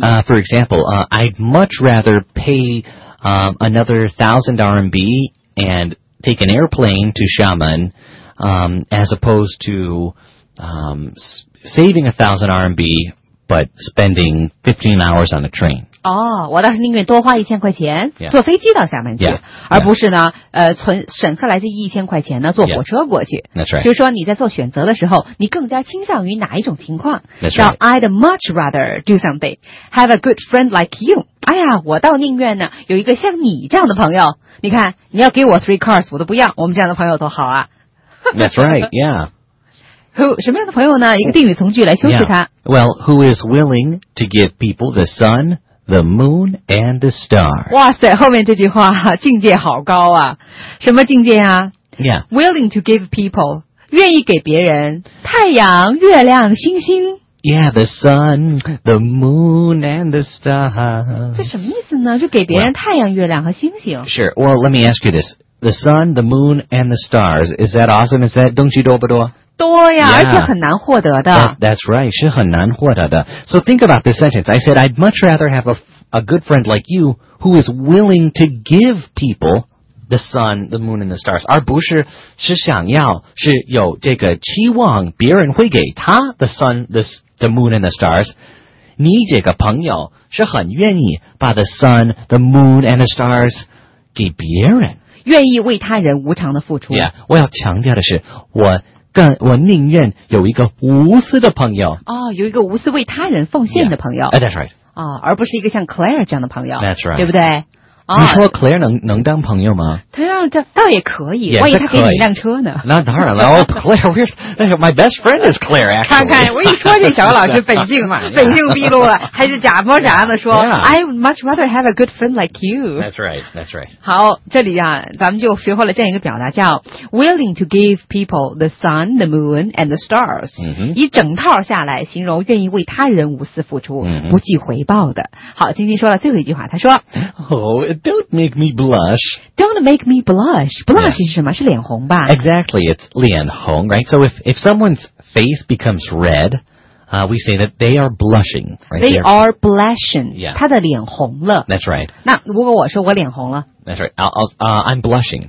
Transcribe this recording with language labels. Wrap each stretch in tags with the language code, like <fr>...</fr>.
<en>for example、I'd much rather pay、another 1000 RMB and take an airplane to Xiamen、as opposed to、saving 1000 RMB but spending 15 hours on the train</en> <zh>哦、oh, 我倒是宁愿多花一千块钱、</zh> <en>yeah.</en> <zh>坐飞机到厦门去</zh> <en>yeah. Yeah.</en> <zh>而不是呢存省下来这一千块钱呢坐火车过去、</zh> <en>yeah. That's right.</en> <zh>就是说你在做选择的时候你更加倾向于哪一种情况</zh> <en>That's right. I'd much rather do something have a good friend like you</en> <zh>哎呀我倒宁愿呢有一个像你这样的朋友你看你要给我</zh> <en>three cars</en> <zh>我都不要我们这样的朋友多好啊</zh> <en>That's right yeah</en> <zh>who, 什么样的朋友呢一个定语从句来修饰他、</zh> <en>yeah. Well who is willing to give people the sunThe moon and the star.</en> <zh>哇塞，后面这句话境界好高啊！什么境界啊</zh> <en>？Yeah, willing to give people,</en> <zh>愿意给别人太阳、月亮、星星。</zh> <en>Yeah, the sun, the moon and the star.</en> <zh>这什么意思呢？就给别人太阳、月亮和星星。</zh> <en>Well, sure. Well, let me ask you this: the sun, the moon, and the stars. Is that awesome? Is that</en> <zh>东西多不多？多呀</zh> <en>yeah,</en> <zh>而且很难获得的</zh> <en>That's right</en> <zh>是很难获得的</zh> <en>So think about this sentence I said I'd much rather have a good friend like you Who is willing to give people The sun, the moon and the stars</en> <zh>而不是是想要是有这个期望别人会给他</zh> <en>The sun, the moon and the stars</en> <zh>你这个朋友是很愿意把</zh> <en>the sun, the moon and the stars</en> <zh>给别人愿意为他人无偿的付出 Yeah 我要强调的是我宁愿有一个无私的朋友、哦、有一个无私为他人奉献的朋友、</zh> <en>yeah. That's right、</en> <zh>哦、而不是一个像 Claire 这样的朋友</zh> <en>That's right</en> <zh>对不对、哦、你说 Claire 能当朋友吗他倒也可以</zh> <en>yeah,</en> <zh>万一他给你一辆车呢那当然了、</zh> <en>oh, Claire, My best friend is Claire、actually.</en> <zh>看看我一说这小老师本性嘛本性毕露了还是假模假样的说、</zh> <en>yeah. I would much rather have a good friend like you That's right</en> <zh>好这里啊咱们就学会了这样一个表达叫</zh> <en>Willing to give people the sun, the moon, and the stars、 mm-hmm.</en> <zh>一整套下来形容愿意为他人无私付出、</zh> <en>mm-hmm.</en> <zh>不计回报的好晶晶说了最后一句话他说</zh> <en>Don't make me blush. Blush、yeah.</en> <zh>是什么？是脸红吧</zh> <en>？Exactly, it's 脸红 right? So if someone's face becomes red,、we say that they are blushing.、Right? They are blushing. Yeah,</en> <zh>他的脸红了。</zh> <en>That's right.</en> <zh>那如果我说我脸红了</zh> <en>？That's right. I'm blushing.</en>